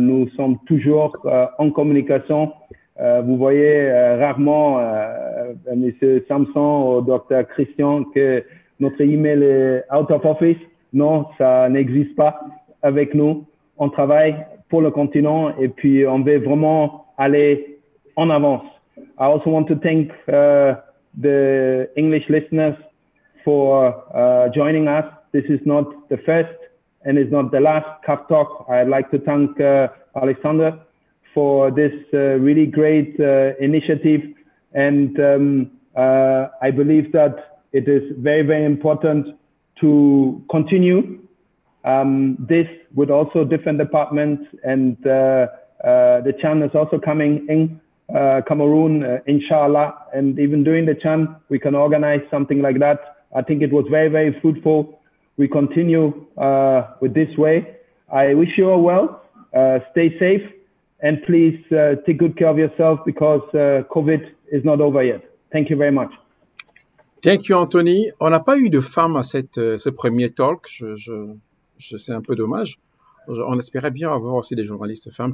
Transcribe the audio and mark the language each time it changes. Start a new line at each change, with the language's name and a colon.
French: Nous sommes toujours en communication. Vous voyez rarement Monsieur Samson ou Dr. Christian que notre email est
English: out of office.
French: Non, ça n'existe pas avec nous. On travaille pour le continent et puis on veut vraiment aller en avance.
English: I also want to thank the English listeners for joining us. This is not the first and it's not the last CAF Talk. I'd like to thank Alexandre for this really great initiative. And I believe that it is very, very important to continue this with also different departments. And the CHAN is also coming in Cameroon, inshallah. And even during the CHAN, we can organize something like that. I think it was very, very fruitful. We continue with this way. I wish you all well. Stay safe. And please take good care of yourself because COVID is not over yet. Thank you very much. Thank you, Anthony.
French: On n'a pas eu de femme à ce premier talk. C'est un peu dommage. On espérait bien avoir aussi des journalistes femmes.